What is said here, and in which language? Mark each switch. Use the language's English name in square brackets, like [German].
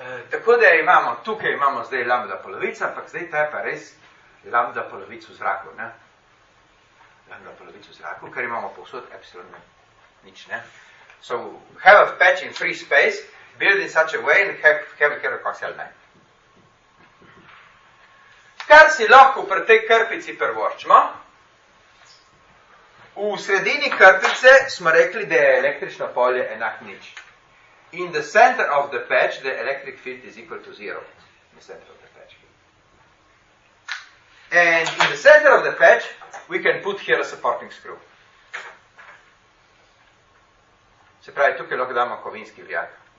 [Slovenian] Tako da imamo, tukaj imamo zdaj lambda polovica, ampak zdaj ta je pa res lambda polovic v zraku, ne? Lambda polovic v zraku, ker imamo povsod epsilon nič, ne? [English] So, have a patch in free space, build in such a way and have a carrier coaxial line. [Slovenian] Kar si lahko pri tej krpici privoščimo, v sredini krpice smo rekli, da je električno polje enak nič. [English] In the center of the patch, the electric field is equal to zero. In the center of the patch. And in the center of the patch, we can put here a supporting screw. [Slovenian] Se pravi, tukaj lahko damo kovinski vijak.